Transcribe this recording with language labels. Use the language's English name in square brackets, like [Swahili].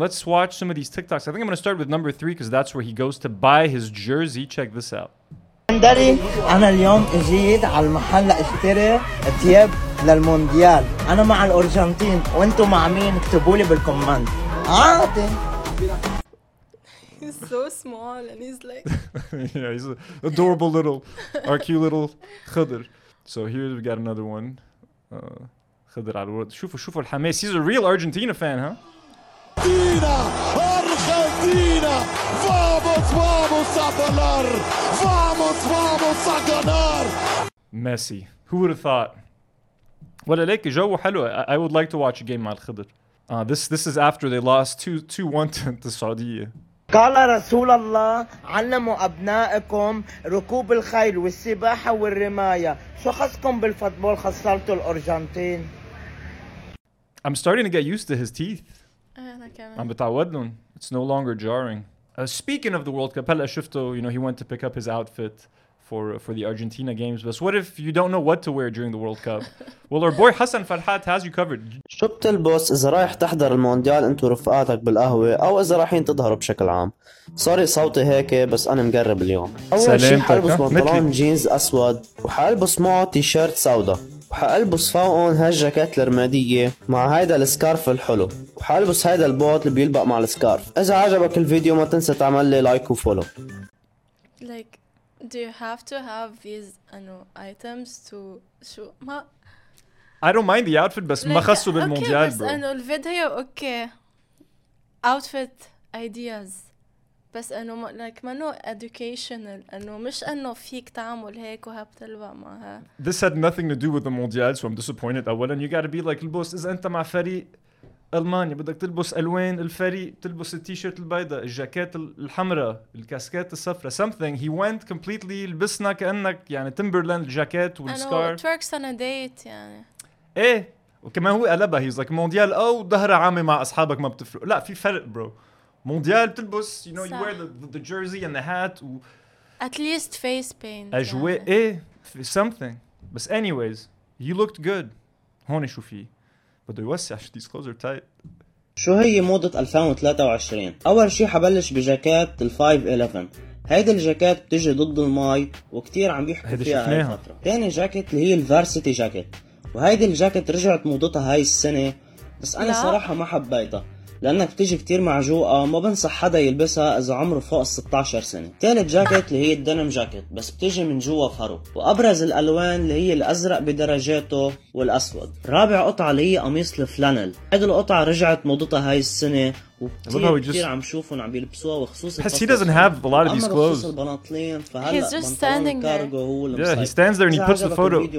[English] Let's watch some of these TikToks. I think I'm going to start with number three because that's where he goes to buy his jersey. Check this out. [Arabic] دري انا اليوم اجيت على المحل لاشتري ثياب للمونديال. انا مع الارجنتين وانتم مع مين اكتبوا لي بالكومنت. عادي. [English] He's so small and he's like... yeah, he's an adorable little, our cute little Khidr. So here we got another one. Khidr al world. [Arabic] شوفوا الحماس. [English] He's a real Argentina fan, huh? [Spanish] Argentina! Argentina! Vamos, vamos a ganar! Vamos, vamos a ganar! [English] Messi. Who would have thought? [Arabic] ولليك جو حلو. [English] I would like to watch a game [Arabic] مع الخضر. [English] This is after they lost 2-1 to Saudi. [Arabic] قال رسول الله علموا أبنائكم ركوب الخيل والسباحة والرماية شو خصكم بالفوتبول خسرتوا الأرجنتين. [English] I'm starting to get used to his teeth. [Arabic] أنا كمان. عم بتعود لهم. [English] It's no longer jarring. Speaking of the World Cup, [Arabic] هلا شفته, [English] you know, he went to pick up his outfit for the Argentina games. But what if you don't know what to wear during the World Cup? Well, our boy Hassan Farhat has you covered. [Arabic] شو بتلبس إذا رايح تحضر المونديال أنت ورفقاتك بالقهوة أو إذا رايحين تظهروا بشكل عام؟ سوري صوتي هيك بس أنا مقرب اليوم. أول شيء حلبس بنطلون جينز أسود وحلبس معه تيشيرت سوداء وحلبس فوقهم هالجاكيت الرمادية مع هيدا السكارف الحلو وحلبس هيدا البوت اللي بيلبق مع السكارف. إذا عجبك الفيديو ما تنسى تعمل لي لايك وفولو. [English] Like. Do you have to have these items to show? I don't mind the outfit, but [Arabic] ما خصو بالمونديال, [English] bro. Okay, [Arabic] الفيديو [English] okay. Outfit ideas, [Arabic] بس إنه [English] like [Arabic] ما نو [English] educational. [Arabic] إنه مش إنه فيك تعمل هيك وهبتلبق معها. [English] This had nothing to do with the مونديال, so I'm disappointed. [Arabic] أولا, [English] you gotta be like [Arabic] البوس إذا أنت مع فريق ألمانيا بدك تلبس ألوان الفريق تلبس التيشيرت البيضة الجاكيت الحمراء الكاسكات الصفراء [English] something he went completely [Arabic] لبسنا كأنك يعني تيمبرلاند الجاكيت والسكارف [English] and works on a date [Arabic] يعني إيه وكمان هو قلبها [English] he's like [Arabic] مونديال أو ظهر عام مع أصحابك ما بتفرق لا في فرق bro مونديال تلبس [English] you know [Arabic] صح. [English] You wear the jersey and the hat و... at least face paint [Arabic] أجواء يعني. إيه [English] something [Arabic] بس [English] anyways you looked good [Arabic] هون شو فيه بده يوسع عشان ديسكلوزر تايت. شو هي موضة 2023؟ أول شي حبلش بجاكات الـ 511، هيدي الجاكات بتجي ضد الماي وكتير عم بيحكوا فيها هاي الفترة. تاني جاكت اللي هي الفارسيتي جاكت، وهيدي الجاكت رجعت موضتها هاي السنة، بس أنا صراحة ما حبيتها لأنك بتجي كتير معجوقة، ما بنصح حدا يلبسها إذا عمره فوق 16 سنة. تالت جاكت اللي هي الدنم جاكت، بس بتجي من جوا فرو، وأبرز الألوان اللي هي الأزرق بدرجاته والأسود. رابع قطعة اللي هي قميص الفلانل، هيدي القطعة رجعت موضتها هاي السنة وكتير عم شوفهم عم يلبسوها، وخصوصاً بس [English] he doesn't have a lot of these clothes. [Arabic] البناطلين فهلا [English] he's just standing there. [Arabic] هو [English] yeah, he stands there and he puts the photo.